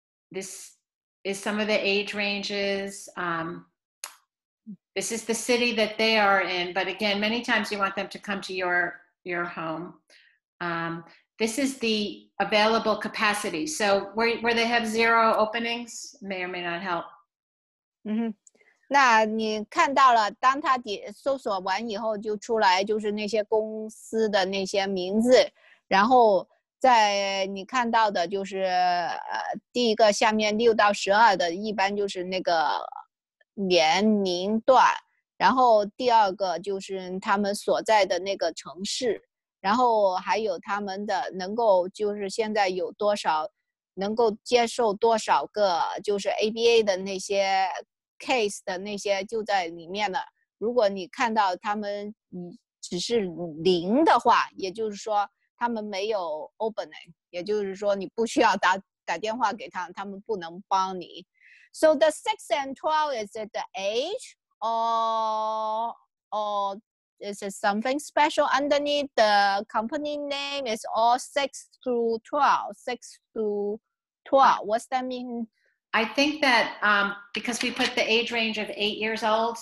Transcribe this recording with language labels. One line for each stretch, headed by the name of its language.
English: This is some of the age ranges. This is the city that they are in, but again, many times you want them to come to your home. This is the available capacity. So where they have zero openings may or may not help.
Chinese: 嗯哼，那你看到了，当他搜索完以后就出来就是那些公司的那些名字，然后在你看到的就是第一个下面6-12的一般就是那个年龄段，然后第二个就是他们所在的那个城市，然后还有他们的能够就是现在有多少能够接受多少个就是 ABA 的那些 case 的那些就在里面了。如果你看到他们只是零的话，也就是说他们没有 opening， 也就是说你不需要打电话给他，他们不能帮你。
English: So the 6 and 12, is it the age or is it something special underneath the company name? Is all 6 through 12? 6 through 12. What's that mean? I think that because we put the age range of 8 years old.